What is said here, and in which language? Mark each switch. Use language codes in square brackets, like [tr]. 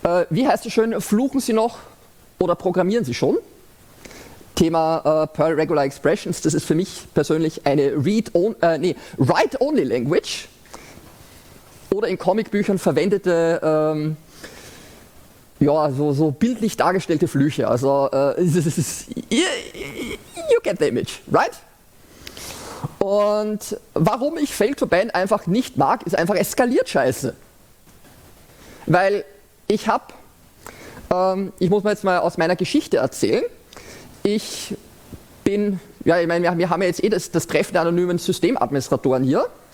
[de] Wie heißt es schön, fluchen Sie noch oder programmieren Sie schon? Thema Perl Regular Expressions, das ist für mich persönlich eine Write-Only-Language oder in Comicbüchern verwendete, so bildlich dargestellte Flüche. [en] Also, you get the image, right? [de] Und warum ich Fail to Ban einfach nicht mag, ist einfach eskaliert scheiße. Weil ich habe, ich muss mal jetzt mal aus meiner Geschichte erzählen, ich bin, ja, ich meine, wir haben ja jetzt eh das Treffen der anonymen Systemadministratoren hier.